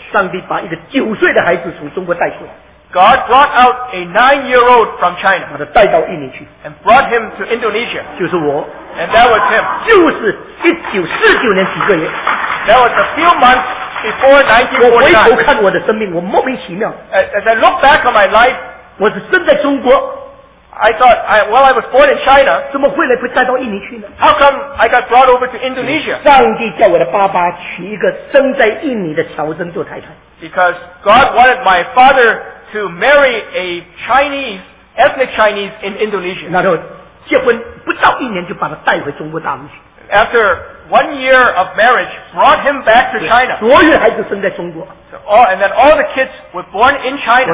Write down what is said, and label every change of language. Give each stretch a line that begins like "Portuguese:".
Chinese: 上帝把一个九岁的孩子从中国带出来。
English: God brought out a nine-year-old from China，
Chinese: 把他带到印尼去
English: ，and brought him to Indonesia。
Chinese: 就是我
English: ，and that was him。
Chinese: 就是1949年几个月
English: ，that was a few months。 Before 1949,
Chinese: 我回头看我的生命，我莫名其妙。
English: As I look back on my life,
Chinese: 我是生在中国。
English: I thought, I was born in China.
Chinese: 怎么会来被带到印尼去呢
English: ？How come I got brought over to Indonesia?
Chinese: 上帝叫我的爸爸娶一个生在印尼的乔珍做太太。
English: Because God wanted my father to marry a Chinese, ethnic Chinese in Indonesia.
Chinese: 那就结婚不到一年就把他带回中国大陆去。
English: After one year of marriage, brought him back to China.
Chinese: 所有孩子生在中国。
English: So, all, and then all the kids were born in China.